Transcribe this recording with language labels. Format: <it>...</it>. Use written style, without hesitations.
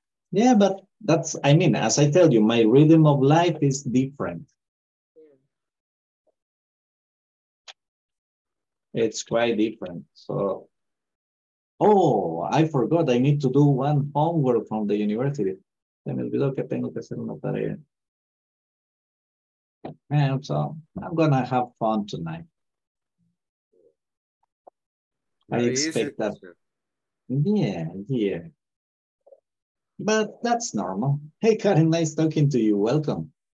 <en>Yeah, but that's, I mean, as I tell you, my rhythm of life is different. Yeah. It's quite different. So, I forgot. I need to do 1 homework from the university.</en> <es>Se me olvidó que tengo que hacer una tarea.</es> <en>And so, I'm going to have fun tonight. I expect that. Yeah. But that's normal. Hey, Karen, nice talking to you. Welcome.</en>